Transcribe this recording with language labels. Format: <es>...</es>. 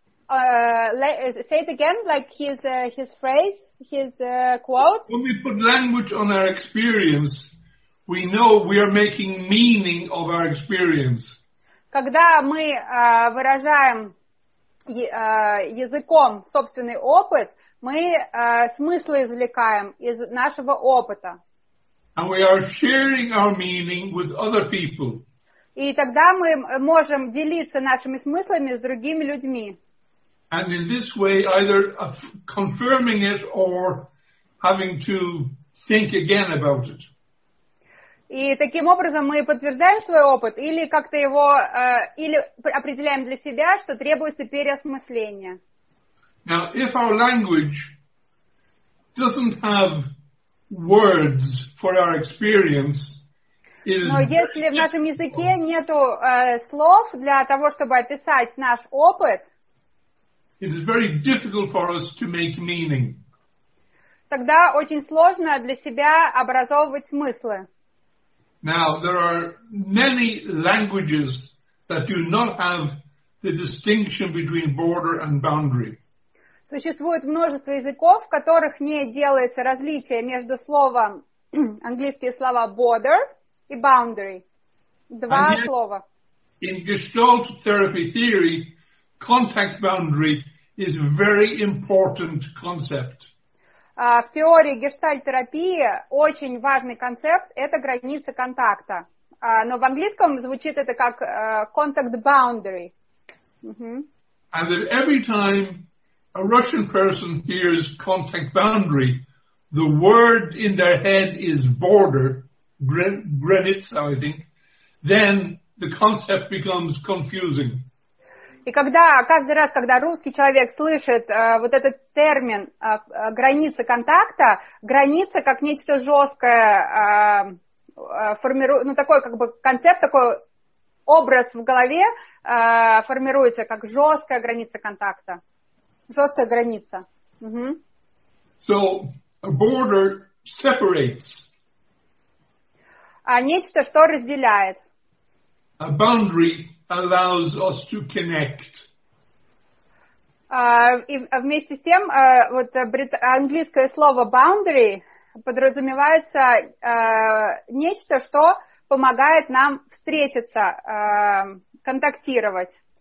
<en>say it again, like his phrase, his quote. When we put language on our experience... We know we are making meaning of our experience.</en> <ru>Когда мы выражаем языком собственный опыт, мы смыслы извлекаем из нашего опыта.</ru> <en>And we are sharing our meaning with other people.</en> <ru>И тогда мы можем делиться нашими смыслами с другими людьми.</ru> <en>And in this way, either confirming it or having to think again about it.</en> <ru>И таким образом мы подтверждаем свой опыт или как-то его, или определяем для себя, что требуется переосмысление.</ru> <en>Now, if our language doesn't have words for our experience, it is...</en> <ru>Но если в нашем языке нету слов для того, чтобы описать наш опыт,</ru> <en>it is very difficult for us to make meaning.</en> <ru>Тогда очень сложно для себя образовывать смыслы.</ru> <en>Now, there are many languages that do not have the distinction between border and boundary.</en> <ru>Существует множество языков, в которых не делается различие между словом, английские слова border и boundary. Два слова.</ru> <en>In Gestalt therapy theory, contact boundary is a very important concept.</en> <ru>В теории гештальт-терапии очень важный концепт – это граница контакта. Но в английском звучит это как contact boundary.</ru> <en>Uh-huh. And that every time a Russian person hears contact boundary, the word in their head is border, granica, I think, then the concept becomes confusing.</en> <ru>И когда каждый раз, когда русский человек слышит вот этот термин граница контакта, граница как нечто жесткое формирует, ну такой как бы концепт, такой образ в голове формируется как жесткая граница контакта, жесткая граница.</ru> <en>Угу. So a border separates.</en> <ru>А нечто, что разделяет.</ru> <en>A boundary allows us to connect.</en> <ru>И вместе с тем, вот английское слово boundary подразумевается нечто, что помогает нам встретиться, контактировать.</ru>